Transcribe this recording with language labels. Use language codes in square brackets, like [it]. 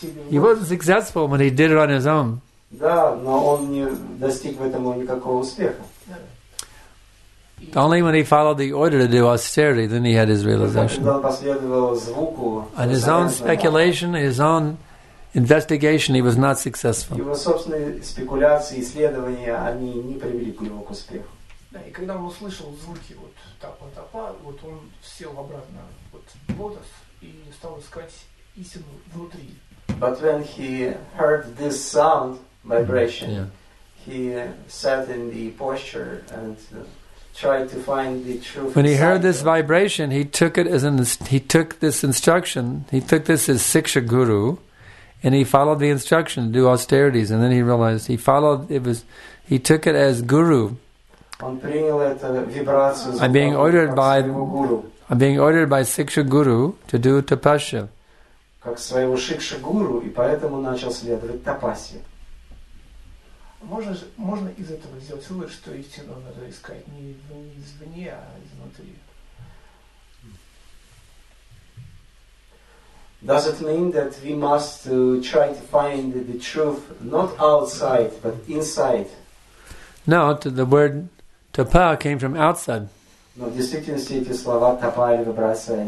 [en] He wasn't successful when he did it on his own. [ru] Да, но он не достиг в этом никакого успеха. [en] Only when he followed the order to do austerity, then he had his realization. On his own speculation, his own investigation, he was not successful. But when he heard this sound, vibration, he sat in the posture and tried to find the truth. When he heard this vibration, he took it as he took this as Siksha Guru, and he followed the instruction to do austerities, and then he realized he took it as Guru. I'm being ordered by Siksha Guru to do tapasya. [ru] Как своего Шикша Гуру, и поэтому начал следовать тапасе. Можно из этого сделать вывод, что истину надо искать не извне, а изнутри. [en] Does it mean that we must try to find the truth not outside, but inside? No, the word tapa came from outside. [ru] Но в действительности эти слова тапа или вибрация.